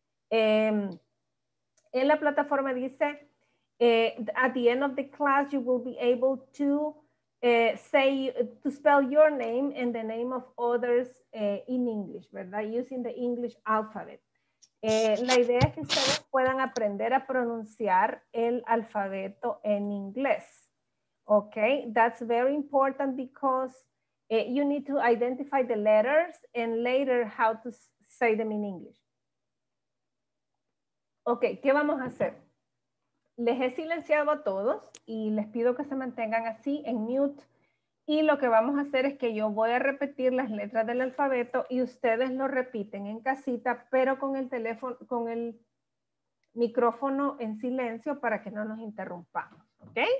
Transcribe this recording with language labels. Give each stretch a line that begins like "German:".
Spanish: En la plataforma dice,
English: at the end of the class you will be able to spell your name and the name of others in English,
Spanish: ¿verdad?
English: Using the English alphabet.
Spanish: La idea es que ustedes puedan aprender a pronunciar el alfabeto en inglés.
English: Ok, that's very important because you need to identify the letters and later how to say them in English.
Spanish: Ok, ¿qué vamos a hacer? Les he silenciado a todos y les pido que se mantengan así en mute. Y lo que vamos a hacer es que yo voy a repetir las letras del alfabeto y ustedes lo repiten en casita, pero con el teléfono, con el micrófono en silencio para que no nos interrumpamos, ¿ok?